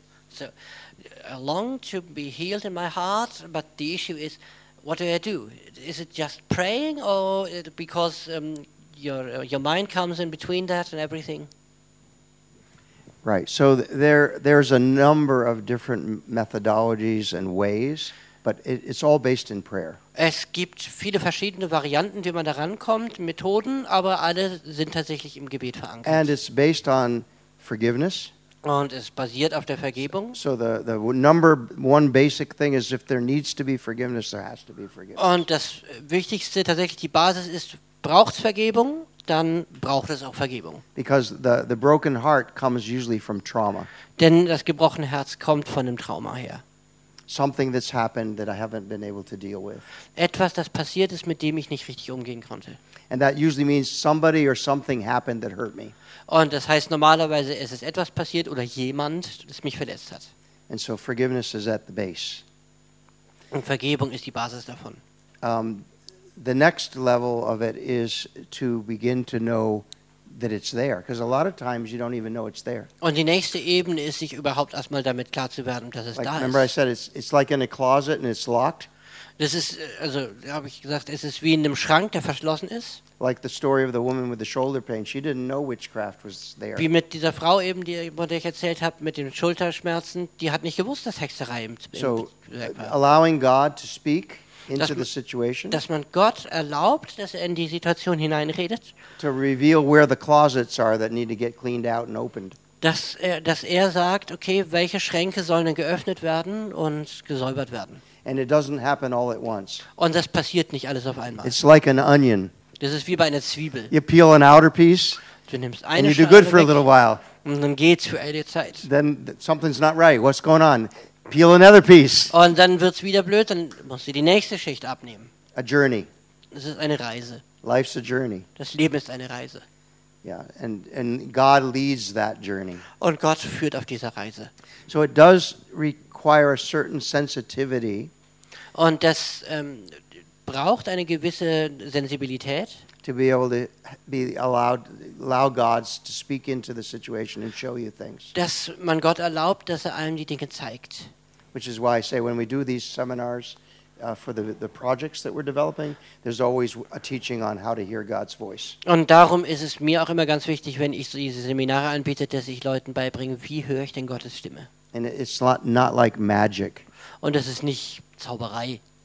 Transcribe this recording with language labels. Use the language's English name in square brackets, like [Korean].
[English] So, I long to be healed in my heart, but the issue is, what do I do? Is it just praying, or because your mind comes in between that and everything? Right. So there's a number of different methodologies and ways, but it's all based in prayer. [German] Es gibt viele verschiedene Varianten, wie man daran kommt, Methoden, aber alle sind tatsächlich im Gebet verankert. [English] And it's based on forgiveness. [German] Und es basiert auf der Vergebung. [English] So the number one basic thing is if there needs to be forgiveness, there has to be forgiveness. [German] Und das Wichtigste, tatsächlich die Basis ist, braucht es Vergebung, dann braucht es auch Vergebung. [English] Because the broken heart comes usually from trauma. [German] Denn das gebrochene Herz kommt von einem Trauma her. [English] Something that's happened that I haven't been able to deal with. [German] Etwas, das passiert ist, mit dem ich nicht richtig umgehen konnte. [English] And that usually means somebody or something happened that hurt me. [German] Und das heißt, normalerweise ist es etwas passiert oder jemand, das mich verletzt hat. [English] And so forgiveness is at the base. [German] Und Vergebung ist die Basis davon. [English] The next level of it is to begin to know that it's there, because a lot of times you don't even know it's there. [German] Und die nächste Ebene ist, sich überhaupt erstmal damit klar zu werden, dass es [English] like, [German] da ist. [English] Remember I said it's like in a closet and it's locked. [German] Das ist, also habe ich gesagt, es ist wie in einem Schrank, der verschlossen ist. [English] Like the story of the woman with the shoulder pain, she didn't know witchcraft was there. [German] Wie mit dieser Frau eben, die von der ich erzählt habe, mit den Schulterschmerzen, die hat nicht gewusst, dass Hexerei im Spiel war. [English] So, allowing God to speak into the situation. [German] Dass man Gott erlaubt, dass er in die Situation hineinredet. [English] To reveal where the closets are that need to get cleaned out and opened. [German] Dass er sagt, okay, welche Schränke sollen denn geöffnet werden und gesäubert werden. [English] And it doesn't happen all at once. [German] Und das passiert nicht alles auf einmal. [English] It's like an onion. [German] Das ist wie bei einer Zwiebel. [English] You peel an outer piece. [German] Du nimmst eine [English] and you do good for [German] weg, [English] a little while. [German] Und dann geht's für eine Zeit. [English] Then something's not right. What's going on? Peel another piece. [German] Und dann wird's wieder blöd. Dann musst du die nächste Schicht abnehmen. [English] A journey. [German] Das ist eine Reise. [English] Life's a journey. [German] Das Leben ist eine Reise. [English] Yeah, and God leads that journey. [German] Und Gott führt auf dieser Reise. [English] So it does require a certain sensitivity. [German] Und das braucht eine gewisse Sensibilität. [English] To be able to be allow God to speak into the situation and show you things. [German] Dass man Gott erlaubt, dass er einem die Dinge zeigt. [English] Which is why I say when we do these seminars for the projects that we're developing, there's always a teaching on how to hear God's voice. [German] Und darum ist es mir auch immer ganz wichtig, wenn ich so diese Seminare anbiete, dass ich Leuten beibringe, wie höre ich denn Gottes Stimme. [English] And it's not like magic. [German] Und es ist nicht Zauberei.